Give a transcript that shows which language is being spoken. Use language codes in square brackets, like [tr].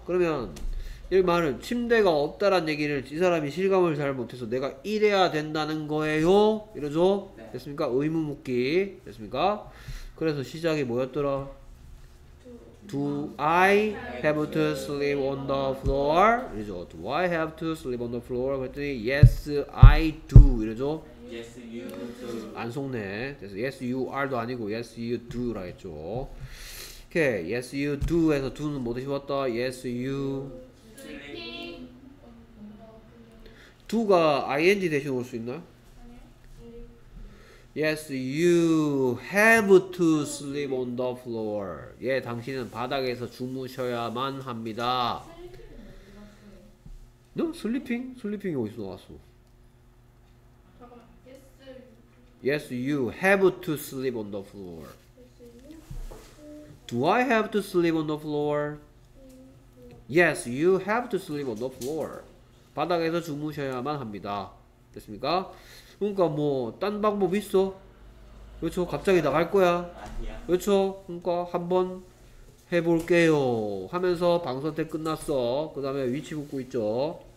[ko] 그러면 이 말은 침대가 없다란 얘기를 이 사람이 실감을 잘 못해서 내가 이래야 된다는 거예요? 이러죠? 네. 됐습니까? 의문 묻기. 됐습니까? 그래서 시작이 뭐였더라? [en] Do I have to sleep on the floor? [ko] 이러죠. [en] Do I have to sleep on the floor? [ko] 그랬더니 [en] Yes, I do. [ko] 이러죠. [en] Yes, you do. [ko] 안 속네. 그래서 [en] yes, you are [ko] 도 아니고 [en] yes, you do [ko] 라 했죠. 오케이. [en] Yes, you do [ko] 해서 do는 뭐 드시웠다? [en] Yes, you sleeping. [ko] do가 ing 대신 올 수 있나요? 아니요. [en] Yes, you have to sleep on the floor. [ko] 예, 당신은 바닥에서 주무셔야만 합니다. [en] No, sleeping? [ko] Sleeping이 어디서 나왔어? [en] Yes, you have to sleep on the floor. Do I have to sleep on the floor? Yes, you have to sleep on the floor. [ko] 바닥에서 주무셔야만 합니다. 됐습니까? 그러니까 뭐 딴 방법 있어? 그렇죠? 갑자기 나갈 거야? 아니야. 그렇죠? 그러니까 한번 해볼게요 하면서 방 선택 끝났어. 그 다음에 위치 묻고 있죠.